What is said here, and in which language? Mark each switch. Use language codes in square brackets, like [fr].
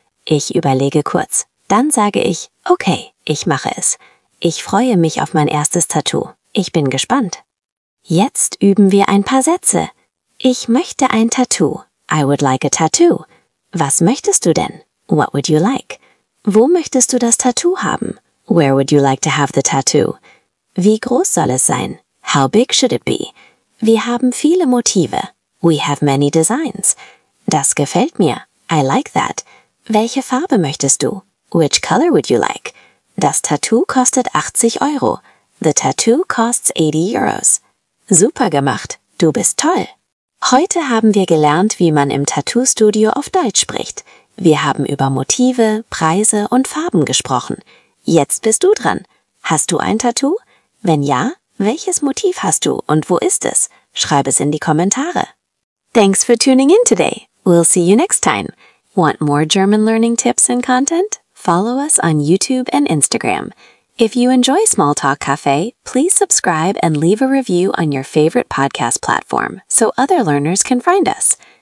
[de] Ich überlege kurz. Dann sage ich, okay, ich mache es. Ich freue mich auf mein erstes Tattoo. Ich bin gespannt. Jetzt üben wir ein paar Sätze. Ich möchte ein Tattoo. [en] I would like a tattoo. [de] Was möchtest du denn? [en] What would you like? [de] Wo möchtest du das Tattoo haben? [en] Where would you like to have the tattoo? [de] Wie groß soll es sein? [en] How big should it be? [de] Wir haben viele Motive. [en] We have many designs. [de] Das gefällt mir. [en] I like that. [de] Welche Farbe möchtest du? [en] Which color would you like? [de] Das Tattoo kostet 80 Euro. [en] The tattoo costs 80 euros. [de] Super gemacht. Du bist toll. Heute haben wir gelernt, wie man im Tattoo-Studio auf Deutsch spricht. Wir haben über Motive, Preise und Farben gesprochen. Jetzt bist du dran. Hast du ein Tattoo? Wenn ja, welches Motiv hast du und wo ist es? Schreib es in die Kommentare. [en] Thanks for tuning in today. We'll see you next time. Want more German learning tips and content? Follow us on YouTube and Instagram. If you enjoy Small Talk Cafe, please subscribe and leave a review on your favorite podcast platform so other learners can find us.